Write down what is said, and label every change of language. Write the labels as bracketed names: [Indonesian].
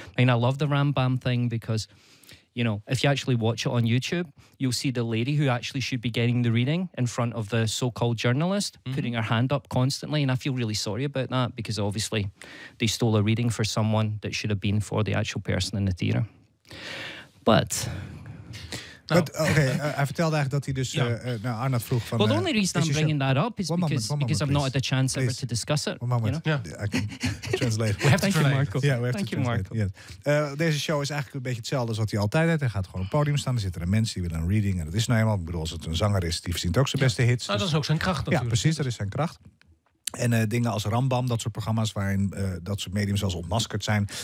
[English] I mean, I love the Rambam thing because... You know, if you actually watch it on YouTube, you'll see the lady who actually should be getting the reading in front of the so-called journalist, mm-hmm. putting her hand up constantly. And I feel really sorry about that because obviously they stole a reading for someone that should have been for the actual person in the theater. But... [Dutch] Hij vertelde eigenlijk dat hij dus naar Arnold vroeg van... [English] Well, the only reason I'm bringing that up is because I've not had the chance ever to discuss it. One moment. You know? Yeah. I can translate. We have to translate. Thank you, Marco. [Dutch] Deze show is eigenlijk een beetje hetzelfde als wat hij altijd heeft. Hij gaat gewoon op het podium staan. Er zitten er mensen die willen een reading. En dat is nou eenmaal. Ik bedoel, als het een zanger is, die verzint ook zijn beste hits. Dus... Dat is ook zijn kracht natuurlijk. Ja, precies. Dat is zijn kracht. En dingen als Rambam, dat soort programma's waarin dat soort mediums zelfs ontmaskerd zijn.